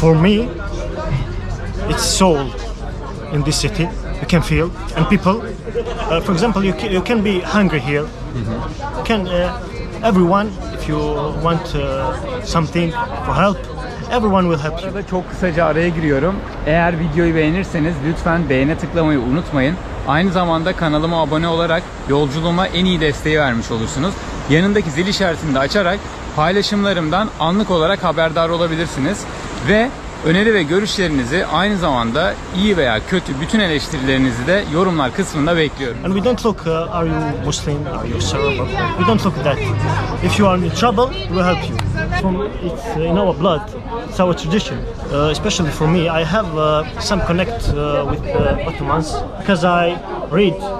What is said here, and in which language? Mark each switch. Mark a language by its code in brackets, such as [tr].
[en] For me, it's so old in this city. You can feel, and people, for example, you can be hungry here. Mm-hmm. Can everyone, if you want something for help, everyone will help you. [tr] Burada çok kısaca araya giriyorum. Eğer videoyu beğenirseniz lütfen beğene tıklamayı unutmayın. Aynı zamanda kanalıma abone olarak yolculuğuma en iyi desteği vermiş olursunuz. Yanındaki zil işaretini de açarak paylaşımlarımdan anlık olarak haberdar olabilirsiniz. Ve öneri ve görüşlerinizi, aynı zamanda iyi veya kötü bütün eleştirilerinizi de yorumlar kısmında bekliyorum. [en] And we don't look, are you Muslim, are you Serb? We don't look that. If you are in trouble, we help you. It's in our blood, it's our tradition. Especially for me, I have some connect with Ottomans because I read.